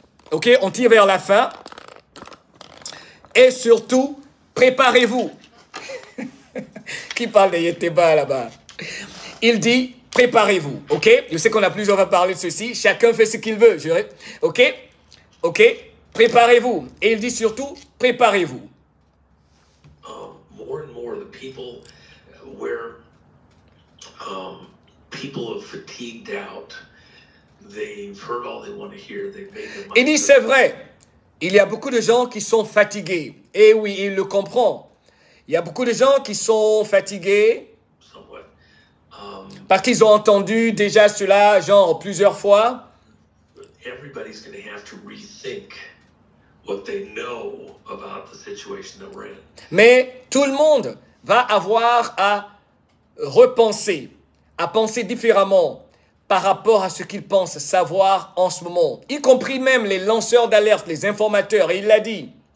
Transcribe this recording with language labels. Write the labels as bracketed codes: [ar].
[fr] Ok, on tire vers la fin. Et surtout, préparez-vous. Qui parle de Yeteba là-bas? Il dit, préparez-vous, ok? Je sais qu'on a plusieurs à parler de ceci. Chacun fait ce qu'il veut, ok? Ok? Préparez-vous. Et il dit surtout, préparez-vous. [en] More and more the people where people are fatigued out. They've heard all they want to hear. They've made their mind. [fr] Il dit, c'est vrai. Il y a beaucoup de gens qui sont fatigués. Et oui, il le comprend. Il y a beaucoup de gens qui sont fatigués parce qu'ils ont entendu déjà cela, genre, plusieurs fois. [en] Everybody's gonna have to rethink what they know about the situation that we're in. [fr] Mais tout le monde va avoir à repenser, à penser différemment par rapport à ce qu'ils pensent savoir en ce moment, y compris même les lanceurs d'alerte, les informateurs, et il l'a dit.